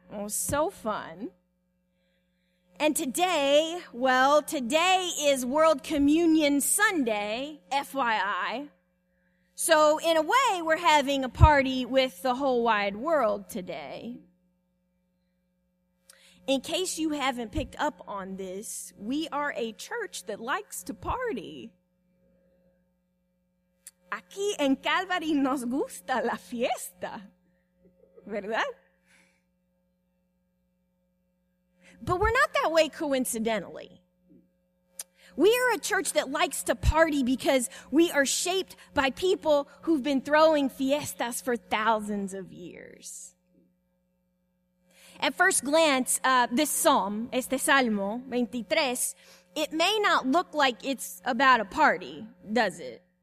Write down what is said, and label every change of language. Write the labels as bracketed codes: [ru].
[en] It was so fun. And today, well, today is World Communion Sunday, FYI. So in a way, we're having a party with the whole wide world today. In case you haven't picked up on this, we are a church that likes to party. [es] Aquí en Calvary nos gusta la fiesta, ¿verdad? [en] But we're not that way coincidentally. We are a church that likes to party because we are shaped by people who've been throwing fiestas for thousands of years. At first glance, this psalm, [es] este Salmo 23, [en] it may not look like it's about a party, does it?